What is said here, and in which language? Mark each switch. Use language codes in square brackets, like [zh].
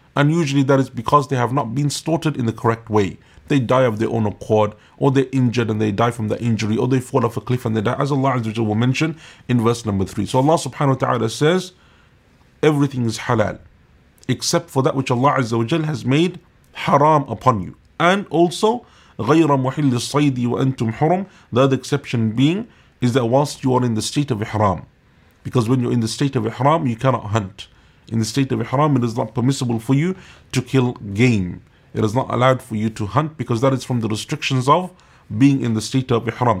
[en] And usually that is because they have not been slaughtered in the correct way. They die of their own accord, or they're injured and they die from the injury, or they fall off a cliff and they die, as Allah Azza wa Jalla will mention in verse number 3. So Allah subhanahu wa ta'ala says, everything is halal, except for that which Allah Azza wa Jal has made haram upon you. And also, [ar] غَيْرَ مُحِلِّ الصَّيْدِ وَأَنْتُمْ حُرُمْ. [en] The other exception being is that whilst you are in the state of ihram. Because when you're in the state of ihram, you cannot hunt. In the state of ihram, it is not permissible for you to kill game. It is not allowed for you to hunt, because that is from the restrictions of being in the state of ihram.